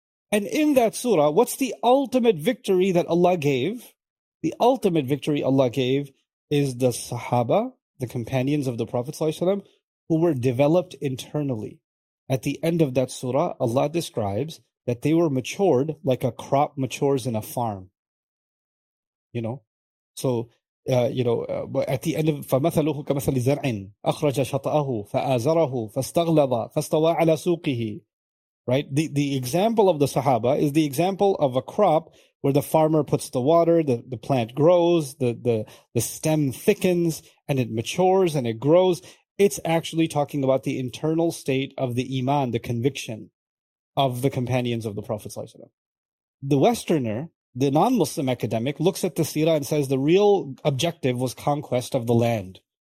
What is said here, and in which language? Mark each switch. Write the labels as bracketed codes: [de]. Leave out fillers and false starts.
[en] And in that surah, what's the ultimate victory that Allah gave? The ultimate victory Allah gave is the Sahaba, the companions of the Prophet ﷺ, who were developed internally. At the end of that surah, Allah describes that they were matured like a crop matures in a farm. You know? So, at the end of [ar] فَمَثَلُهُ كَمَثَلِ زَرْعٍ أَخْرَجَ شَطَأَهُ فَآزَرَهُ فَاسْتَغْلَظَ فَاسْتَوَى عَلَى سُوقِهِ. [en] Right? The example of the Sahaba is the example of a crop where the farmer puts the water, the plant grows, the stem thickens, and it matures and it grows. It's actually talking about the internal state of the iman, the conviction of the companions of the Prophet ﷺ. The Westerner, the non-Muslim academic, looks at the seerah and says the real objective was conquest of the land.